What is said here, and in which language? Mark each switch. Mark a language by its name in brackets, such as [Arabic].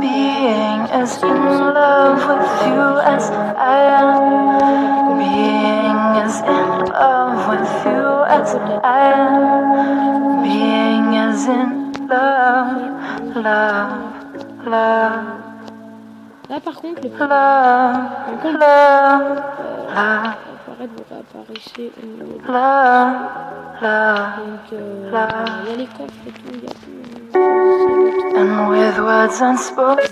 [English] Being as in love with you as I am. Being as in love with you as I am. Being as in love, love, love. [French] Là par contre, [English] love, love. [French] Apparaître, vous réapparaissez au niveau de là, là, donc, là. Il y a les coffres et tout, il y a tout. [English] And with words unspoken.